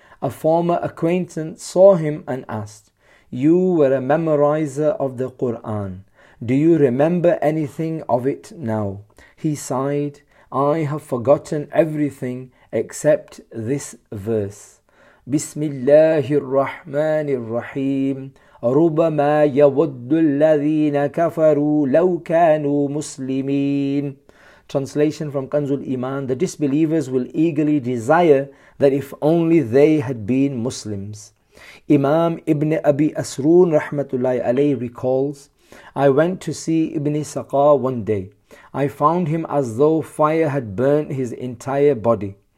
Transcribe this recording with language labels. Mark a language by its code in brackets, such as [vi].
[en] A former acquaintance saw him and asked, you were a memorizer of the Quran. Do you remember anything of it now? He sighed, I have forgotten everything except this verse. Bismillahir Rahmanir Rahim. [ar] ربما يود الذين كفروا لو كانوا مسلمين. [en] Translation from Kanzul Iman: the disbelievers will eagerly desire that if only they had been Muslims. Imam Ibn Abi Asrun rahmatullahi alayhi recalls, I went to see Ibn Saqa one day. I found him as though fire had burnt his entire body.